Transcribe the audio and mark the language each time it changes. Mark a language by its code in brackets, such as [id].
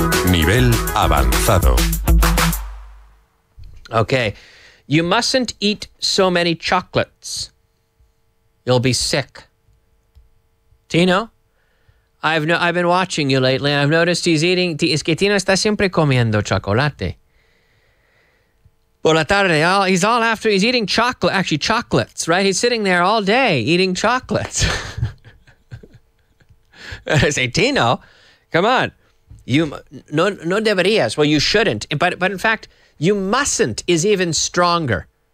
[es] Nivel avanzado. [en] Okay. You mustn't eat so many chocolates. You'll be sick. Tino, I've been watching you lately. I've noticed he's eating... [es] Es que Tino está siempre comiendo chocolate. Por la tarde, [en] he's eating chocolate, actually chocolates, right? He's sitting there all day eating chocolates. I say, Tino, come on. [es] No deberías. [en] Well, you shouldn't. But in fact, you mustn't is even stronger.